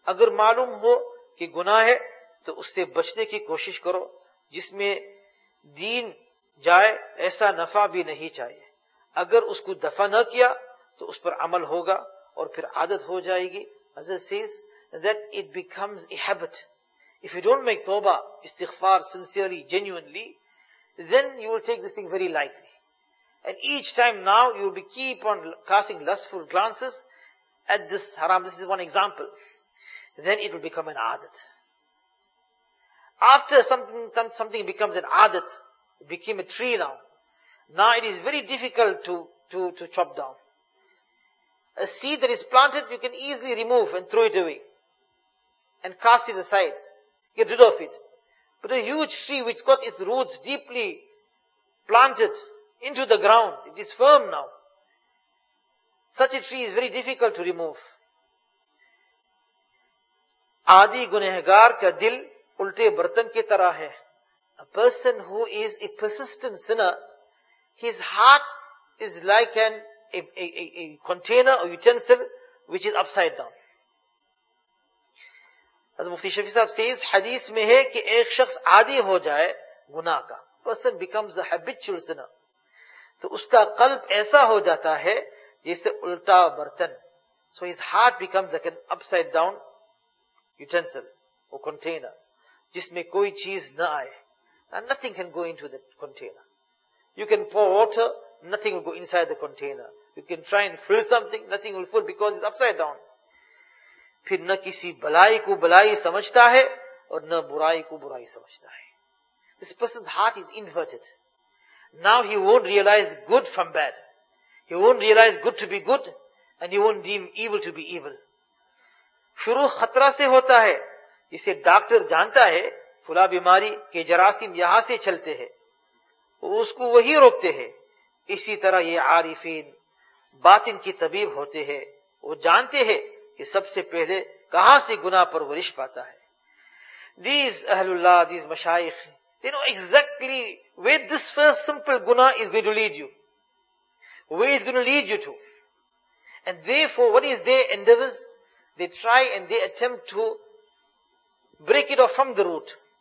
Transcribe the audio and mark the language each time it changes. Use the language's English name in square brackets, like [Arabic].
[Urdu] اگر معلوم ہو کہ گناہ ہے تو اس سے بچنے کی کوشش کرو. جس میں دین جائے ایسا نفع بھی نہیں چاہیے. اگر اس کو دفع نہ کیا تو اس پر عمل ہوگا اور پھر عادت ہو جائے گی. [English] حضرت says that it becomes a habit. If you don't make tawbah, istighfar, sincerely, genuinely, then you will take this thing very lightly. And each time now, you will be keep on casting lustful glances at this haram. This is one example. Then it will become an adat. After something becomes an adat, it became a tree now. Now it is very difficult to chop down. A seed that is planted, you can easily remove and throw it away. And cast it aside. Get rid of it. But a huge tree which got its roots deeply planted into the ground, it is firm now. Such a tree is very difficult to remove. [Urdu] Aadi gunahgar ka dil ulte bartan ki tarah hai. [English] A person who is a persistent sinner, his heart is like a container or utensil which is upside down. [Urdu] حضرت مفتی شفیع صاحب says, حدیث میں ہے کہ ایک شخص عادی ہو جائے گناہ کا, [English] person becomes a habitual sinner, [Urdu] تو اس کا قلب ایسا ہو جاتا ہے جیسے الٹا برتن. [English] So his heart becomes like an upside down utensil or container [Urdu] جس میں کوئی چیز نہ آئے. [English] And nothing can go into that container. You can pour water, nothing will go inside the container. You can try and fill something, nothing will fill because it's upside down. [Urdu] پھر نہ کسی بلائی کو بلائی سمجھتا ہے اور نہ برائی کو برائی سمجھتا ہے. [English] This person's heart is inverted. Now he won't realize good from bad. He won't realize good to be good and he won't deem evil to be evil. [Urdu] شروع خطرہ سے ہوتا ہے. اسے ڈاکٹر جانتا ہے فلا بیماری کے جراثیم یہاں سے چلتے ہیں. وہ اس کو وہی روکتے ہیں. اسی طرح یہ عارفین باطن کی طبیب ہوتے ہیں. وہ جانتے ہیں کہ سب سے پہلے کہاں سے گناہ پر ورش پاتا ہے. [English] These Ahlullah, these Mashayikh, they know exactly where this first simple guna is going to lead you. Where it's going to lead you to. And therefore, what is their endeavors? They try and they attempt to break it off from the root.